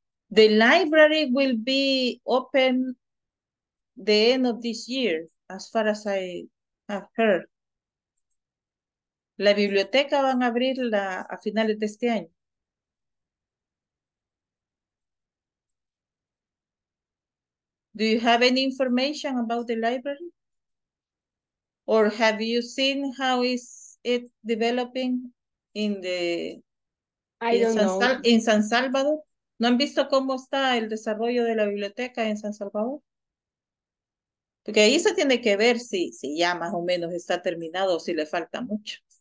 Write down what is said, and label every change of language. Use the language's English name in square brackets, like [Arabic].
[English] The library will be open the end of this year, as far as I have heard. [Spanish] La biblioteca van a abrir a finales de este año. [English] Do you have any information about the library? Or have you seen how is it developing in the in San Salvador? [Spanish] ¿No han visto cómo está el desarrollo de la biblioteca en San Salvador? Porque ahí se tiene que ver si ya más o menos está terminado o si le falta mucho.